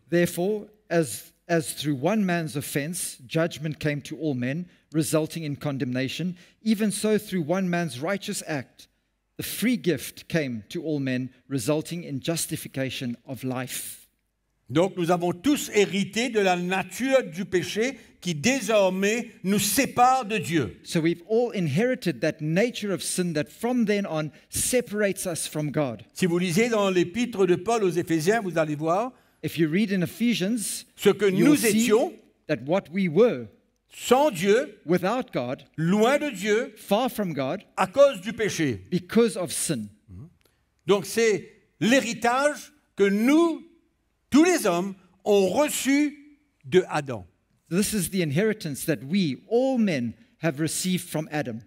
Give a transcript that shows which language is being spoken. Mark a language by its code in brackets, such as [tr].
[en] Therefore, as through one man's offense, judgment came to all men, resulting in condemnation, even so through one man's righteous act, the free gift came to all men, resulting in justification of life. [fr] Donc nous avons tous hérité de la nature du péché qui désormais nous sépare de Dieu. [en] So we've all inherited that nature of sin that from then on separates us from God. [fr] Si vous lisez dans l'épître de Paul aux Éphésiens, vous allez voir [en] if you read in Ephesians, [fr] ce que nous étions, [en] that what we were, [fr] sans Dieu, [en] without God, [fr] loin de Dieu, [en] far from God, [fr] à cause du péché, [en] because of sin. [fr] Donc c'est l'héritage que nous, tous les hommes, ont reçu de Adam. [en] This is the inheritance that we, all men, have received from Adam.